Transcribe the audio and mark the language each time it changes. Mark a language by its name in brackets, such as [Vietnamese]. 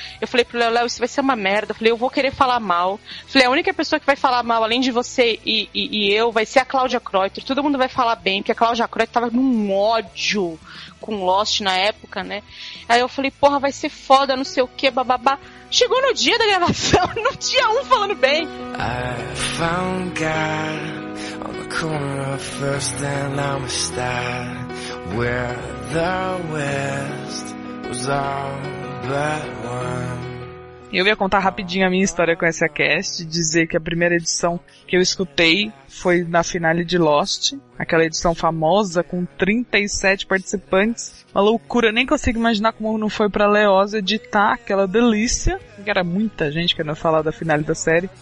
[Portuguese] Eu falei pro Léo, isso vai ser uma merda. Eu falei, eu vou querer falar mal. Eu falei, a única pessoa que vai falar mal, além de você e eu, vai ser a Cláudia Croito. Todo mundo vai falar bem, porque a Cláudia Croito tava num ódio com Lost na época, né? Aí eu falei, porra, vai ser foda, não sei o quê, bababá. Chegou no dia da gravação, não tinha um falando bem. [English] I found God. Corner of first and I'm a star where the west was all but one. [Portuguese] Eu ia contar rapidinho a minha história com essa cast, dizer que a primeira edição que eu escutei foi na finale de Lost, aquela edição famosa com 37 participantes. Uma loucura, nem consigo imaginar como não foi pra Leosa editar aquela delícia, que era muita gente querendo falar da finale da série.